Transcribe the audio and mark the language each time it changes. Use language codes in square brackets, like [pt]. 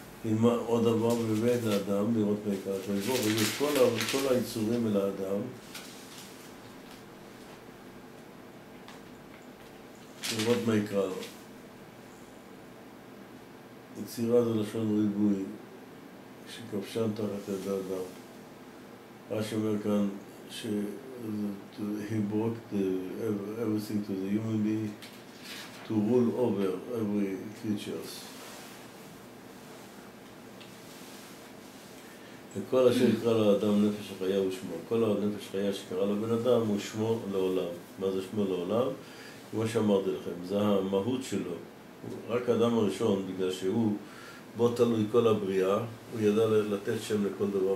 [he] אם עוד דבר בבית האדם, לראות בעיקר את היבור, ויש כל היצורים אל האדם, לראות מה יקרא לו. יצירה זה לשון ריבוי, שכבשן תחת ידי אדם. רש"י אומר כאן, ש... [en] He brought the, everything to the human being to rule over every creatures. [he] וכל אשר יקרא לו אדם נפש החיה הוא שמו. כל הנפש החיה שקרא לו בן אדם הוא שמו לעולם. מה זה שמו לעולם? כמו שאמרתי לכם, זה המהות שלו. רק האדם הראשון, בגלל שהוא בו תלוי כל הבריאה, הוא ידע לתת שם לכל דבר.